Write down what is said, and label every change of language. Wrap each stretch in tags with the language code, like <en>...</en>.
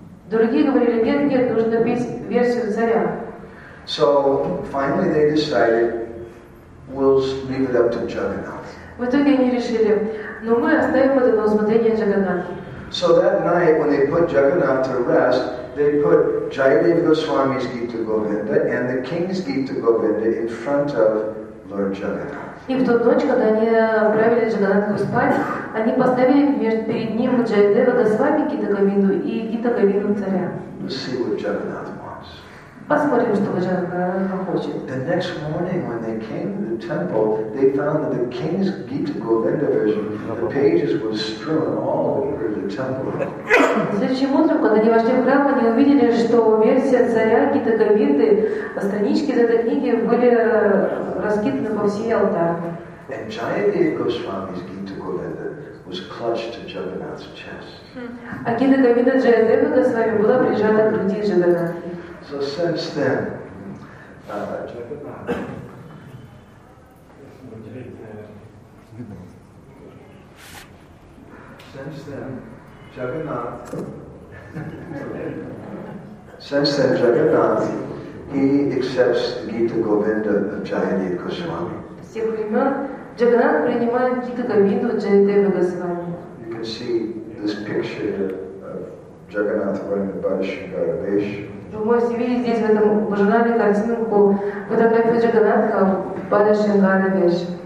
<ru>Другие говорили: нет, нет, нужно петь версию царя.</ru> <en>So finally they decided we'll leave it up to Jagannath.</en> <ru>В итоге они решили: но мы оставим это на усмотрение Джагананта.</ru> <en>So that night when they put Jagannath to rest, they put Jayadeva Goswami's Gita Govinda and the king's Gita Govinda in front of Lord Jagannath.</en> <ru>И в ту ночь, когда они отправили Джагананту спать, они поставили перед ним Джайдева Госвами Гита Говинду и Гита Говинду царя.</ru> <en>Let's see what Jagannath wants.</en> <ru>Посмотрим, что Джагананта хочет.</ru> <en>The next morning when they came to the temple, they found that the king's Gita Govinda version, the pages were strewn all over the temple.</en> <ru>Следующим утром, когда они вошли в храм, они увидели, что версия царя Гита Говинды, странички из этой книги были раскиданы по всей алтарь.</ru> <en>And Jayadeva Goswami's Gita Govinda was clutched to Jagannath's chest.</en> <ru>А Гита Говинда Джайадева Госвами была прижата к груди Джагананты.</ru> <en>So since then, Jagannath, he accepts the Gita Govinda of Jayadeva Goswami. You can see this picture of Jagannath wearing the Bhadashankara Vesha.</en> <ru>Вы можете видеть здесь в этом журнале картинку фотографию Джагананта в Бадашингара Веш.</ru>